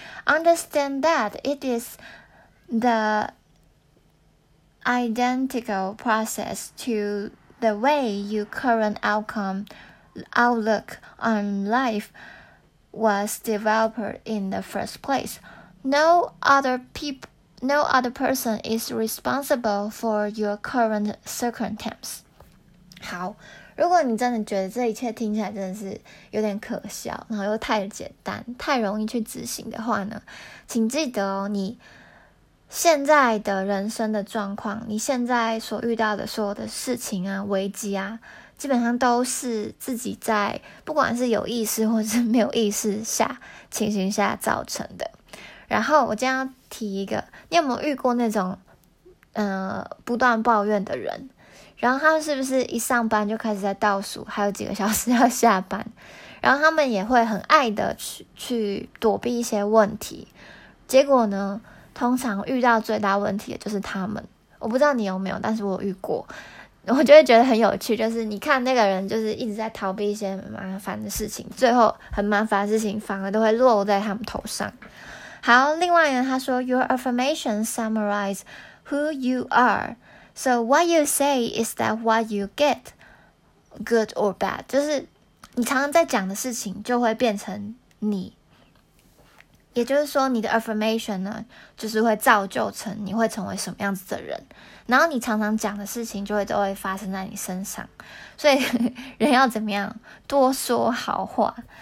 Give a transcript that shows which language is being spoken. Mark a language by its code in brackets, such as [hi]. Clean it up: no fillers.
[en] Understand that it is the identical process to the way your current outlook on life was developed in the first place. No other person is responsible for your current circumstance. [zh] 好，如果你真的觉得这一切听起来真的是有点可笑，然后又太简单，太容易去执行的话呢，请记得哦，你现在的人生的状况，你现在所遇到的所有的事情啊，危机啊，基本上都是自己在不管是有意识或是没有意识下情形下造成的。然后我今天要提一个，你有没有遇过那种不断抱怨的人？然后他是不是一上班就开始在倒数还有几个小时要下班，然后他们也会很爱的去躲避一些问题，结果呢通常遇到最大问题的就是他们。我不知道你有没有，但是我有遇过，我就会觉得很有趣，就是你看那个人就是一直在逃避一些麻烦的事情，最后很麻烦的事情反而都会落在他们头上。好，另外呢他说 [en] Your affirmation summarize who you areSo what you say is that what you get, good or bad. [zh] 就是你常常在讲的事情就会变成你。也就是说你的 affirmation 呢就是会造就成你会成为什么样子的人。然后你常常讲的事情就会都会发生在你身上。所以人要怎么样多说好话。